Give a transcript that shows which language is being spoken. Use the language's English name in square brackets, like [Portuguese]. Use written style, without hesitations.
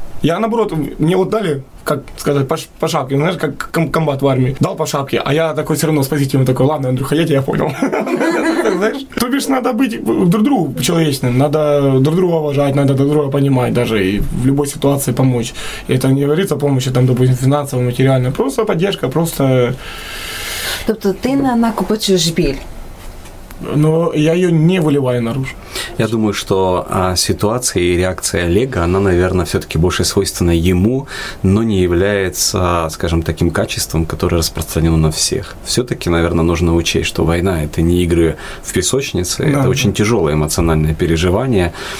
[Russian] Я наоборот, мне вот дали, как сказать, по шапке, знаешь, как комбат в армии, дал по шапке, а я такой все равно с позитивом такой, ладно, Андрюха, я тебя понял. Знаешь, то бишь, надо быть друг другу человечным, надо друг друга уважать, надо друг друга понимать даже и в любой ситуации помочь. И это не говорится о помощи, там, допустим, финансовой, материальной, просто поддержка, просто... [Ukrainian] Тобто ты накопичуєш біль. [Russian] Но я ее не выливаю наружу. Я думаю, что ситуация и реакция Олега, она, наверное, все-таки больше свойственна ему, но не является, скажем, таким качеством, которое распространено на всех. Все-таки, наверное, нужно учесть, что война – это не игры в песочнице, да, это очень тяжелое эмоциональное переживание.